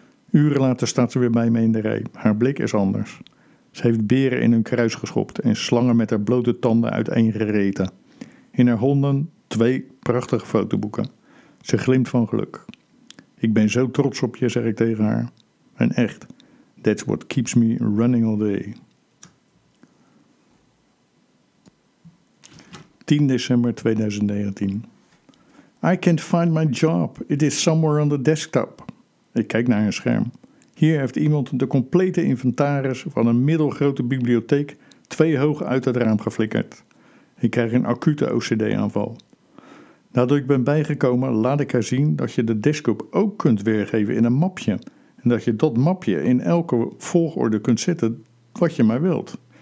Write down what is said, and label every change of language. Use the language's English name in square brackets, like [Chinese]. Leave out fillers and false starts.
[Dutch] Uren later staat ze weer bij me in de rij. Haar blik is anders. Ze heeft beren in hun kruis geschopt en slangen met haar blote tanden uiteengereten. In haar honden 2 prachtige fotoboeken. Ze glimt van geluk. Ik ben zo trots op je, zeg ik tegen haar. En echt, [English] that's what keeps me running all day. 10 december 2019. I can't find my job. It is somewhere on the desktop. [Dutch] Ik kijk naar haar scherm. Hier heeft iemand de complete inventaris van een middelgrote bibliotheek 2 hoog uit het raam geflikkerd. Ik krijg een acute OCD-aanval. Nadat ik ben bijgekomen, laat ik haar zien dat je de desktop ook kunt weergeven in een mapje. En dat je dat mapje in elke volgorde kunt zetten wat je maar wilt.